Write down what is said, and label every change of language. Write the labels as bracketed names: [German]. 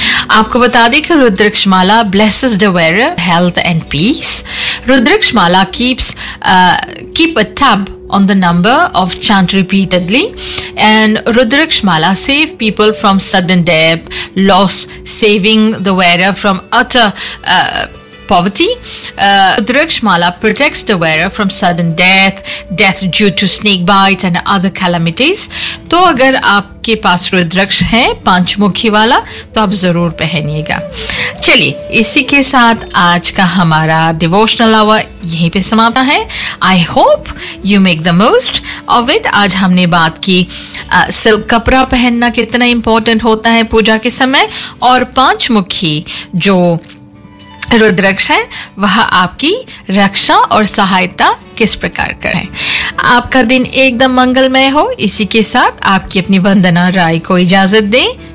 [Hindi] आपको बता दें कि [English] Rudraksh mala blesses the wearer health and peace. Rudraksh mala keep a tab on the number of chant repeatedly and Rudraksh mala save people from sudden death loss, saving the wearer from utter poverty. Rudraksh Mala protects the wearer from sudden death, death due to snake bite and other calamities. [Hindi] तो अगर आपके पास रुद्राक्ष है पंचमुखी वाला तो आप जरूर पहनिएगा. चलिए इसी के साथ आज का हमारा डिवोशनल आवर यहीं पे समाप्त है. [English] I hope you make the most of it. [Hindi] आज हमने बात की सिल्क कपड़ा पहनना कितना इम्पोर्टेंट होता है पूजा के समय, और पंचमुखी जो रुद्राक्ष है वह आपकी रक्षा और सहायता किस प्रकार करें. आपका दिन एकदम मंगलमय हो. इसी के साथ आपकी अपनी वंदना राय को इजाजत दें.